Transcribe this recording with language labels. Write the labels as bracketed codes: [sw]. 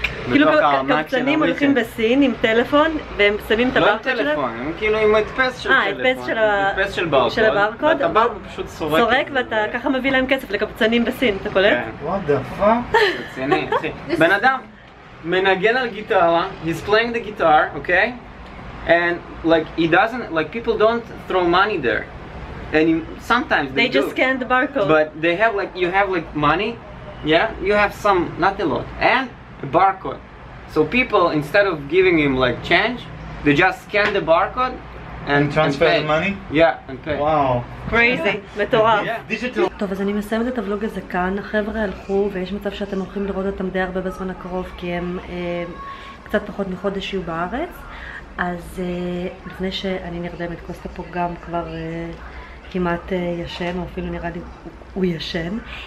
[he] כאילו קבצנים הולכים בסין עם טלפון והם שמים את הברקוד שלהם? לא עם טלפון, הם כאילו עם הדפס של טלפון. הדפס של הברקוד. של הברקוד. ואתה בא ופשוט סורק. סורק ואתה ככה מביא להם כסף לקבצנים בסין, אתה קולט? כן. רציני, אחי. בן אדם, מנגן על גיטרה, [en] he's playing the guitar, okay? And like he doesn't, like people don't throw money there. And sometimes they do. They just scan the barcode. But they have like, you have like money, yeah? You have some, not a lot. And a barcode. So people, instead of giving him like change, they just scan the barcode and transfer the money? Yeah, and pay. Wow. Crazy. מטורף. Yeah. Digital. [he] טוב, אז אני מסיימת את הוולוג הזה כאן. החבר'ה הלכו ויש מצב שאתם הולכים לראות אותם די הרבה בזמן הקרוב כי הם קצת פחות מחודש יהיו בארץ. אז לפני שאני נרדמת, קוסטה פה גם כבר כמעט ישן, או אפילו נראה לי הוא ישן.